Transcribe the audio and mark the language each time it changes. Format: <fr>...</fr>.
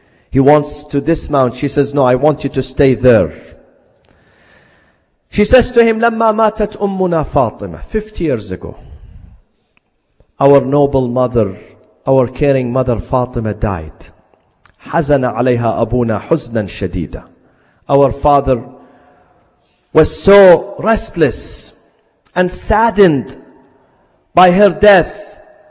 <en>He wants to dismount. She says, no, I want you to stay there. She says to him,</en> <ar>لما ماتت أمنا فاطمة,</ar> <en>50 years ago, our noble mother, our caring mother Fatima died.</en> <ar>حزن عليها أبونا حزنا شديدا.</ar> <en>Our father was so restless and saddened by her death.</en>